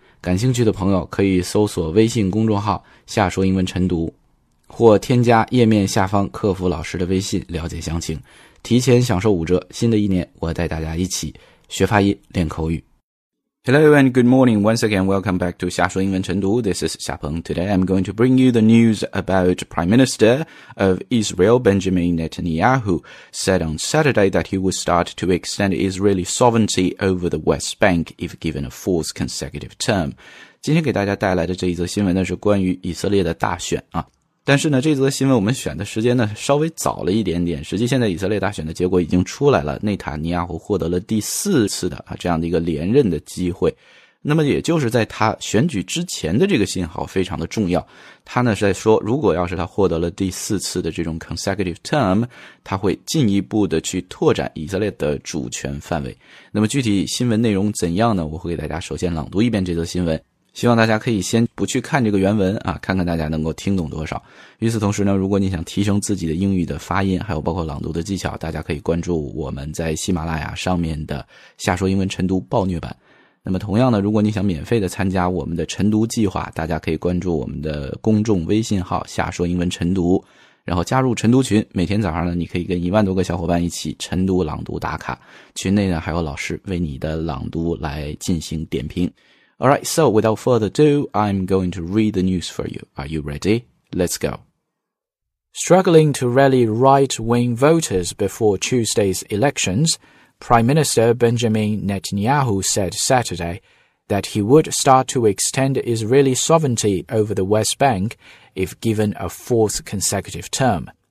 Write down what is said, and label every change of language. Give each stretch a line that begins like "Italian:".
Chinese: 感兴趣的朋友可以搜索微信公众号夏说英文晨读，或添加页面下方客服老师的微信了解详情，提前享受五折。新的一年我带大家一起学发音练口语。
English: Hello and good morning. Once again, welcome back to 夏说英文晨读。This is 夏鹏。 Today I'm going to bring you the news about Prime Minister of Israel Benjamin Netanyahu said on Saturday that he would start to extend Israeli sovereignty over the West Bank if given a fourth consecutive term.
Chinese: 今天给大家带来的这一则新闻呢是关于以色列的大选啊。但是呢这则新闻我们选的时间呢稍微早了一点点，实际现在以色列大选的结果已经出来了，内塔尼亚胡获得了第四次的这样的一个连任的机会。那么也就是在他选举之前的这个信号非常的重要，他呢是在说如果要是他获得了第四次的这种 consecutive term， 他会进一步的去拓展以色列的主权范围。那么具体新闻内容怎样呢，我会给大家首先朗读一遍这则新闻，希望大家可以先不去看这个原文啊，看看大家能够听懂多少。与此同时呢，如果你想提升自己的英语的发音还有包括朗读的技巧，大家可以关注我们在喜马拉雅上面的夏说英文晨读暴虐版。那么同样呢，如果你想免费的参加我们的晨读计划，大家可以关注我们的公众微信号夏说英文晨读，然后加入晨读群，每天早上呢你可以跟一万多个小伙伴一起晨读朗读打卡，群内呢还有老师为你的朗读来进行点评。
English: Alright, so without further ado, I'm going to read the news for you. Are you ready? Let's go. Struggling to rally right-wing voters before Tuesday's elections, Prime Minister Benjamin Netanyahu said Saturday that he would start to extend Israeli sovereignty over the West Bank if given a fourth consecutive term.